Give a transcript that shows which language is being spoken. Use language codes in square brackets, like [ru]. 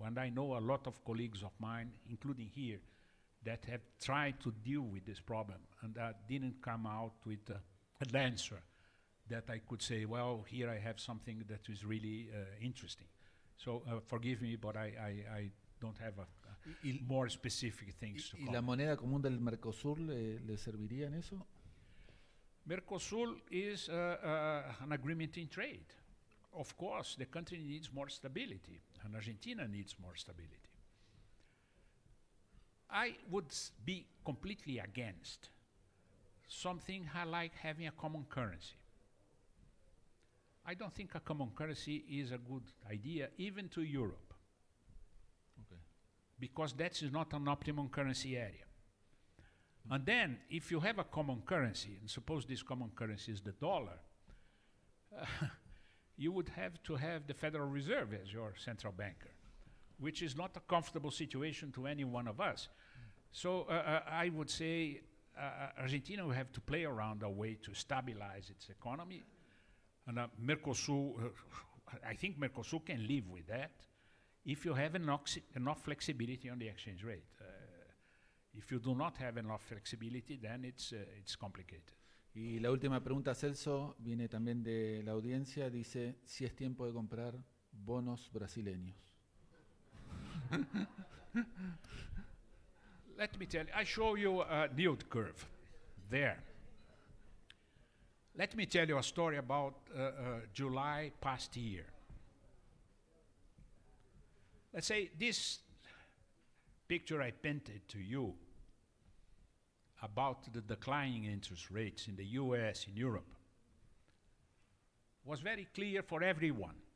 [en] And I know a lot of colleagues of mine, including here, that have tried to deal with this problem and that didn't come out with an answer that I could say, well, here I have something that is really interesting. So forgive me, but I don't have more specific things to comment. [es] ¿Y la moneda común del Mercosur le serviría en eso? [en] Mercosur is an agreement in trade. Of course, the country needs more stability, and Argentina needs more stability. I would be completely against something like having a common currency. I don't think a common currency is a good idea, even to Europe. Okay. Because that is not an optimum currency area. And then, if you have a common currency, and suppose this common currency is the dollar, you would have to have the Federal Reserve as your central banker, which is not a comfortable situation to any one of us. So I would say Argentina will have to play around a way to stabilize its economy. And Mercosur, I think Mercosur can live with that if you have enough flexibility on the exchange rate. If you do not have enough flexibility, then it's complicated. [es] Y la última pregunta, Celso, viene también de la audiencia. Dice, si es tiempo de comprar bonos brasileños. [en] Let me tell you, I show you a yield curve there. Let me tell you a story about July past year. Let's say this picture I painted to you about the declining interest rates in the US, in Europe, was very clear for everyone.